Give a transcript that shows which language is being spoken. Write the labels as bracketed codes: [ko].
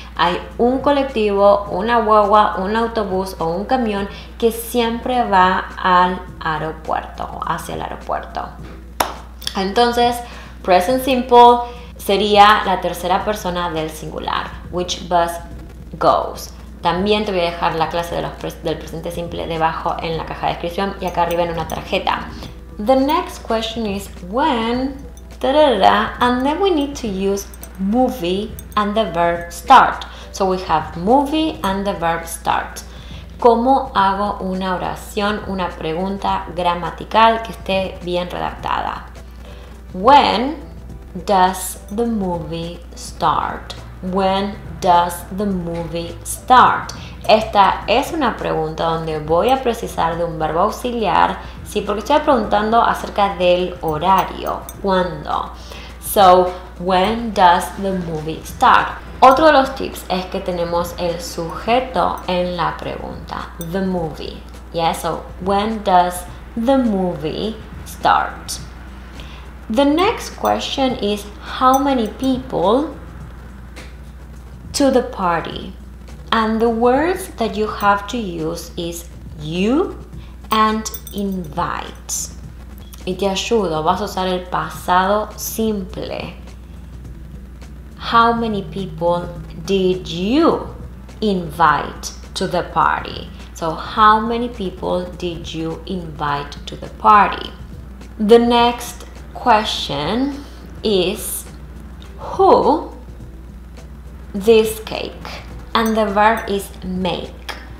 [es] Hay un colectivo, una guagua, un autobús o un camión que siempre va al aeropuerto, hacia el aeropuerto. Entonces, present simple sería la tercera persona del singular. Which bus goes? También te voy a dejar la clase de del presente simple debajo en la caja de descripción y acá arriba en una tarjeta. [en] The next question is when, ta-da-da, and then we need to use movie and the verb start. So we have movie and the verb start. [es] ¿Cómo hago una oración, una pregunta gramatical que esté bien redactada? [en] When does the movie start? [es] When does the movie start? Esta es una pregunta donde voy a precisar de un verbo auxiliar, sí, porque estoy preguntando acerca del horario. ¿Cuándo? So, when does the movie start? Otro de los tips es que tenemos el sujeto en la pregunta. [en] The movie. Yeah, so, when does the movie start? The next question is how many people to the party? And the words that you have to use is you and invite. [es] Y te ayudo, vas a usar el pasado simple. [en] How many people did you invite to the party? So how many people did you invite to the party? The next question is who this cake, and the verb is make.